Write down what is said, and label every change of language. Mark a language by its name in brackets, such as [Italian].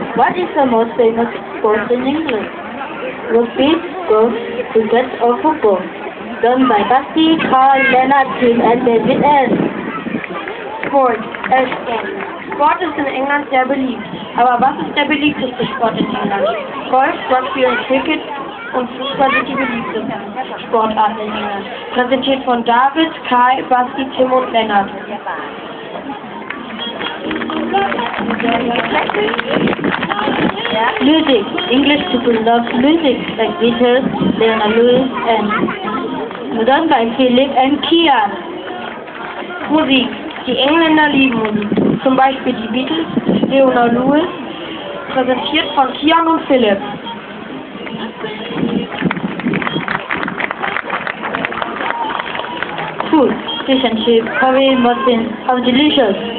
[English] What is the most famous sport in England? Rugby, golf, cricket or football? Done by Basti, Carl, Leonard, Tim and David S. [German] Sport. Sport ist in England sehr beliebt. Aber was ist der beliebteste Sport in England? Golf, Rugby und Cricket und Fußball sind die beliebtesten Sportarten in England. Präsentiert von David, Kai, Basti, Tim und Leonard. [English] Music. English people love music like Beatles, Leona Lewis and done by Philip and Kia. [German] Musik. Die Engländer lieben Musik. Zum Beispiel die Beatles, Leona Lewis, präsentiert von Kian und Philip. [English] Food. Fish and chips, curry, muffins, how delicious.